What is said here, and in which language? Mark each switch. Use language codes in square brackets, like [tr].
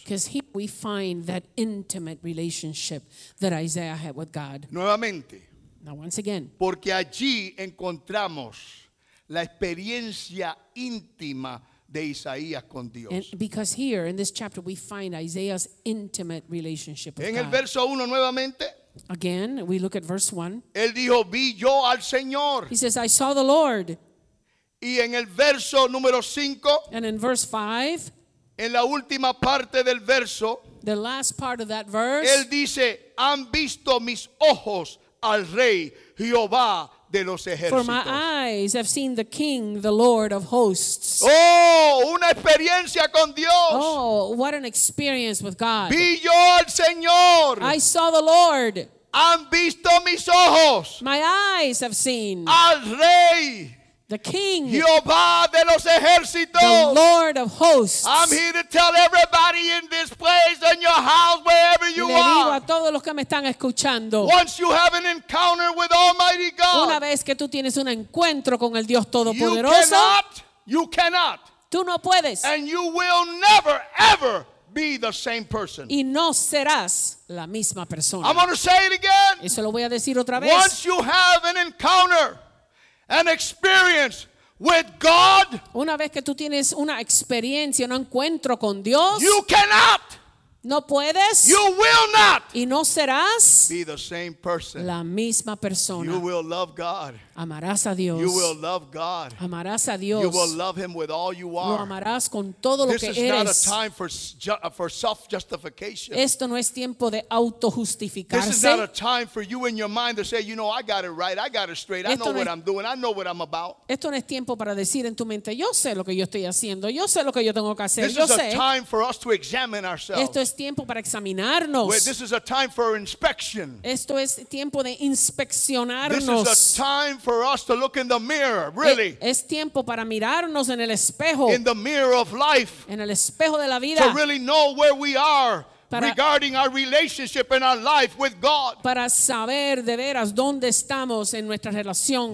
[en] Because here we find that intimate relationship that Isaiah had with God. [es] Nuevamente. [en] Now once again, [es] porque allí encontramos la experiencia íntima de Isaías con Dios. [en] And because here in this chapter we find Isaiah's intimate relationship with [es] en [en] God. [es] En el verso 1 nuevamente. [en] Again, we look at verse 1. [es] Él dijo, vi yo al Señor. [en] He says, I saw the Lord. [es] Y en el verso número 5. [en] And in verse 5. [es] En la última parte del verso. [en] The last part of that verse. [es] Él dice, han visto mis ojos al Rey Jehová de los ejércitos. [en] For my eyes have seen the King, the Lord of hosts. [es] Oh, una experiencia con Dios. [en] Oh, what an experience with God. [es] Vi yo al Señor. [en] I saw the Lord. [es] Han visto mis ojos. [en] My eyes have seen. [es] Al Rey. [en] The King. [es] Jehová de los ejércitos. [en] The Lord of hosts. I'm here to tell everybody in this place, in your house, wherever you [es] le digo [en] are. [es] A todos los que me están escuchando. [en] Once you have an encounter with Almighty God. [es] Una vez que tú tienes un encuentro con el Dios Todopoderoso. [en] You cannot. [es] Tú no puedes. [en] And you will never, ever be the same person. [es] Y no serás la misma persona. [en] I'm going to say it again. [es] Y se lo voy a decir otra vez. [en] Once you have an encounter. An experience with God. [es] Una vez que tú tienes una experiencia, un encuentro con Dios. [en] You cannot. [es] No puedes. [en] You will not. [es] Y no serás. [en] Be the same person. [es] La misma persona. [en] You will love God. [es] Amarás a Dios. [en] You will love God. [es] Amarás a Dios. [en] You will love Him with all you are. [es] Lo amarás con todo lo que eres. [en] This is not a time for self-justification. [es] Esto no es tiempo de autojustificarse. [en] This is not a time for you in your mind to say, you know, I got it right, I got it straight, I know what I'm doing, I know what I'm about. [es] Esto no es tiempo para decir en tu mente, yo sé lo que yo estoy haciendo, yo sé lo que yo tengo que hacer. [en] This is a time for us to examine ourselves. [es] Esto es tiempo para examinarnos. [en] This is a time for inspection. [es] Esto es tiempo de inspeccionarnos. [en] This is a time for us to look in the mirror, really. [es] Es tiempo para mirarnos en el espejo. [en] In the mirror of life. [es] En el espejo de la vida. [en] To really know where we are regarding our relationship and our life with God. [es] Para saber de veras dónde estamos en nuestra relación